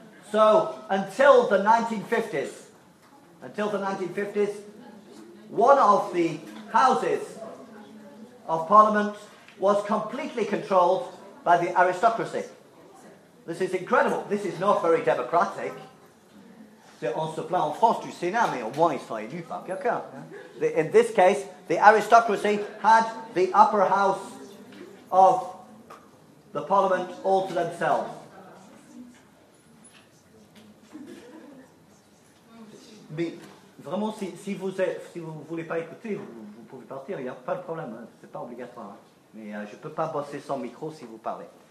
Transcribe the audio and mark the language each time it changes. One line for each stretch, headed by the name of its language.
English: So until the 1950s, one of the Houses of Parliament was completely controlled by the aristocracy. This is incredible. This is not very democratic.
French: On se plaint en France du Sénat, mais au moins ils sont élus par quelqu'un.
English: In this case, the aristocracy had the upper house of the Parliament all to themselves.
French: Mais vraiment, si vous voulez pas écouter, vous pouvez partir, il n'y a pas de problème, hein. C'est pas obligatoire. Hein. Mais je ne peux pas bosser sans micro si vous parlez.